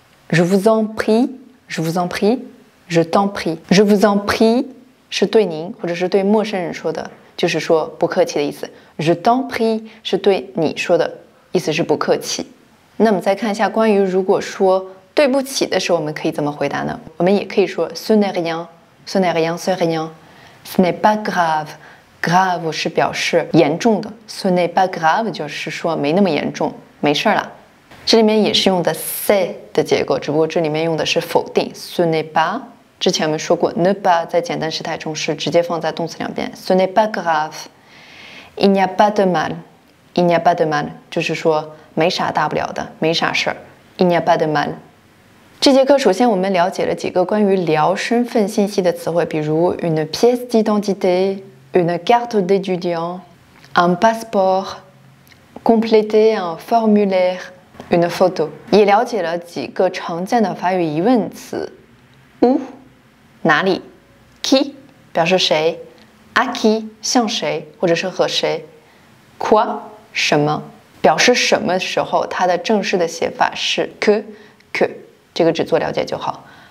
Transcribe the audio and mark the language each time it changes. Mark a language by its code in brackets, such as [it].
[fr] Je vous en prie, je vous en prie, je t'en prie. Je vous en prie [zh] 是对您或者是对陌生人说的，就是说不客气的意思。 [fr] Je t'en prie [zh] 是对你说的，意思是不客气。那么再看一下关于如果说对不起的时候我们可以怎么回答呢？我们也可以说 [fr] ce n'est rien, ce n'est rien, c'est rien. Ce n'est pas graveGrave [zh] 是表示严重的， [fr] ce n'est pas grave [zh] 就是说没那么严重，没事了。这里面也是用的 [fr] c'est [zh] 的结构，只不过这里面用的是否定 [fr] ce n'est pas。 [zh] 之前我们说过 [fr] ne pas [zh] 在简单时态中是直接放在动词两边， [fr] ce n'est pas grave il n'y a pas de mal il n'y a pas de mal [zh] 就是说没啥大不了的，没啥事 [fr] il n'y a pas de mal。 [zh] 这节课首先我们了解了几个关于聊身份信息的词汇，比如 [fr] une pièce d'identitéUne carte d'étudiant, un passeport, compléter un formulaire, une photo. [zh] 也了解了几个常见的法语疑问词 où, 哪里 qui, 表示谁 à qui, 向谁或者是和谁 quoi, 什么，表示什么时候它的正式的写法是 que, 这个只做了解就好。